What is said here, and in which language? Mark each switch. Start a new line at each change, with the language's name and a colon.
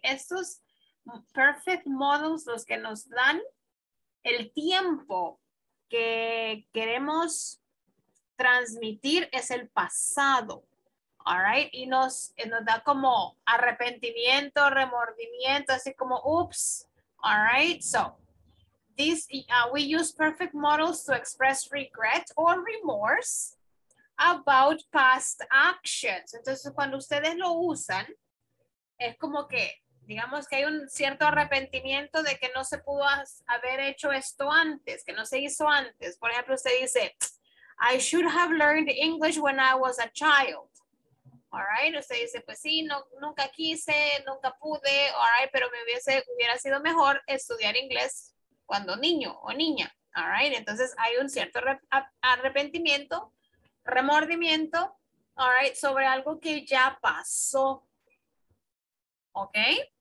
Spanish: Estos
English: perfect models,
Spanish: los que nos dan el tiempo que queremos transmitir es el pasado,
English: all right?
Spanish: Y nos da como arrepentimiento, remordimiento, así como oops,
English: all right? So, this we use perfect models to express regret or remorse about past actions.
Spanish: Entonces, cuando ustedes lo usan, es como que, digamos que hay un cierto arrepentimiento de que no se pudo haber hecho esto antes, que no se hizo antes. Por ejemplo, usted dice,
English: I should have learned English when I was a child. All right,
Spanish: usted dice, pues sí, no, nunca quise, nunca pude,
English: all right,
Spanish: pero me hubiera sido mejor estudiar inglés cuando niño o niña. All right, entonces hay un cierto arrepentimiento, remordimiento,
English: all right,
Spanish: sobre algo que ya pasó,
English: okay?